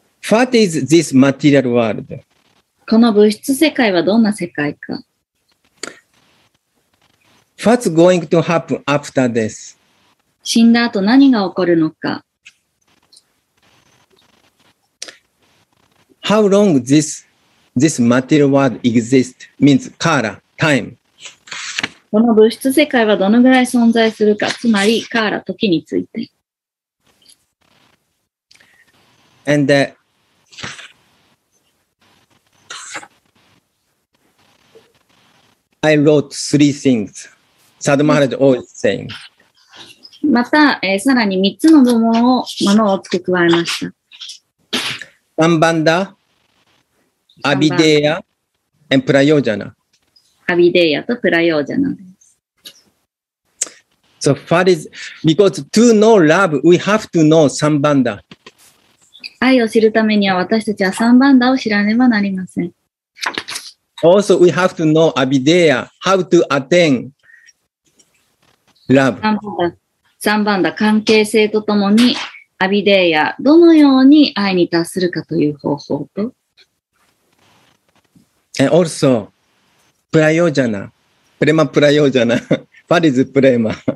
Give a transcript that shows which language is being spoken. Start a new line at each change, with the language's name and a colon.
English: What is this material world?
Japanese: この物質世界はどんな世界か。
English: What's going to happen after this?
Japanese: 死んだ後何が起こるのか。
English: How long this material world exists means kala, time.
Japanese: この物質世界はどのぐらい存在するか、つまりkala、時について。
English: And I wrote three things. サドマハラジ always saying.
Japanese: また、さらに3つのものを付け加えました。
Sanskrit: サンバンダ、アビデイヤ、and プラヨージャナ。
Japanese: アビデイヤとプラヨージャナです。
English: So far is, because to know love, we have to know サンバンダ。
Japanese: 愛を知るためには私たちはサンバンダを知らねばなりません。
English: Also, we have to know アビデイヤ、how to attain. Love.
Japanese: 3番だ、関係性とともに、アビデイヤ、どのように愛に達するかという方法と。
English: And also, プラヨジャナ、プレマプラヨジャナ、ファリズプレマ。